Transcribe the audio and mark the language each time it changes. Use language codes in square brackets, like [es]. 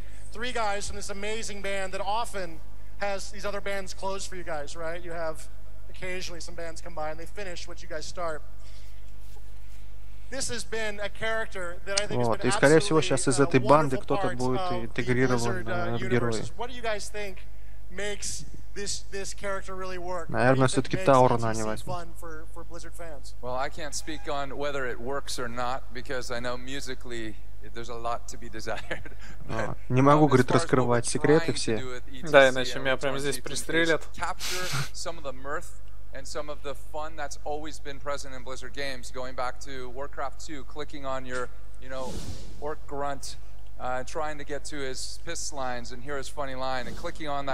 [en] Three guys from this amazing band that often has these other bands close for you guys, right? You have occasionally some bands come by and they finish what you guys start. This has been a character that I think has been absolutely wonderful. [ru] Вот, и скорее всего сейчас из этой банды кто-то будет интегрирован в герои. [en] What do you guys think makes this character really work? [ru] Наверное, все-таки Таурона они возьмут. [en] For Blizzard fans. Well, I can't speak on whether it works or not because I know musically. There's a lot to be desired. [ru] Не могу, говорит, раскрывать секреты все. Да, иначе меня прямо здесь пристрелят. [en] Capture some of the mirth and some of the fun that's always been present in Blizzard games, going back to Warcraft 2, clicking on your, you know, orc grunt, trying to get to his piss lines and hear his funny line and clicking on that.